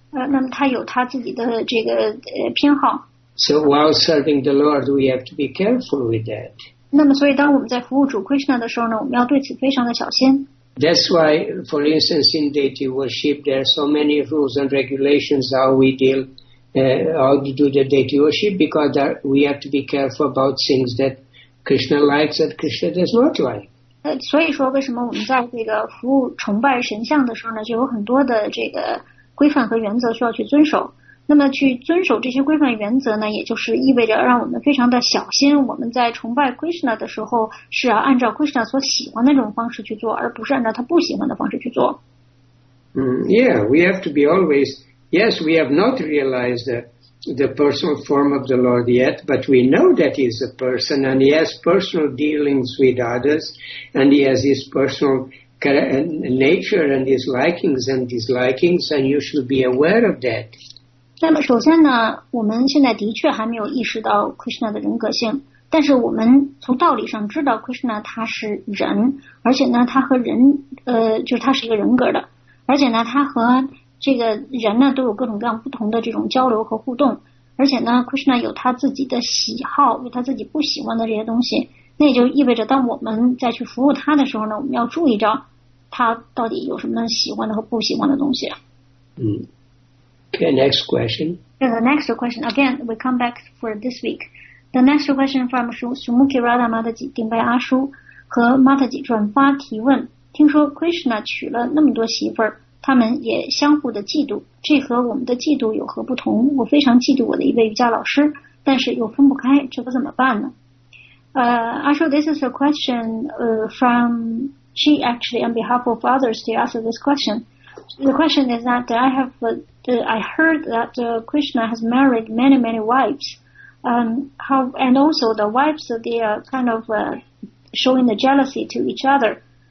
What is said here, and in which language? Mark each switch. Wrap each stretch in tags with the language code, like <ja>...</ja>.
<zh>那么他有他自己的这个偏好。</zh> <en>So while serving the Lord, we have to be careful with that.</en> <zh>那么所以当我们在服务主 Krishna 的时候呢，我们要对此非常的小心。</zh> <en>That's why, for instance, in deity worship, there are so many rules and regulations how we deal, how to do the deity worship, because that we have to be careful about things that Krishna likes and Krishna does not like.</en> <zh>所以说为什么我们在这个服务崇拜神像的时候呢，就有很多的这个规范和原则需要去遵守。那么去遵守这些规范原则呢，也就是意味着让我们非常的小心，我们在崇拜 Krishna 的时候是要按照 Krishna 所喜欢的那种方式去做，而不是按照他不喜欢的方式去做。</zh> <en>Yeah, we have to be always, yes, we have not realized the personal form of the Lord yet, but we know that he is a person and he has personal dealings with others and he has his personal nature and his likings and dislikings and you should be aware of that.</en> <zh>那么首先呢，我们现在的确还没有意识到 Krishna 的人格性，但是我们从道理上知道 Krishna 他是人，而且呢他和人就是他是一个人格的，而且呢他和这个人呢都有各种各样不同的这种交流和互动，而且呢 Krishna 有他自己的喜好，有他自己不喜欢的这些东西，那也就意味着当我们再去服务他的时候呢，我们要注意着他到底有什么喜欢的和不喜欢的东西。</zh> <en>嗯，Okay, next question. Yeah, the next question, again, we come back for this week. The next question from Sumukhi Radha Mataji, Dimbai Ashu,</en> <zh>和 Mataji 转发提问，听说 Krishna 娶了那么多媳妇儿，他们也相互的嫉妒，这和我们的嫉妒有何不同？我非常嫉妒我的一位瑜伽老师，但是又分不开，这可怎么办呢？</zh> <en>Ashu, this is a question from, she actually, on behalf of others, they asked this question. The question is that I heard that Krishna has married many, many wives. And also the wives, they are kind of showing the jealousy to each other.</en>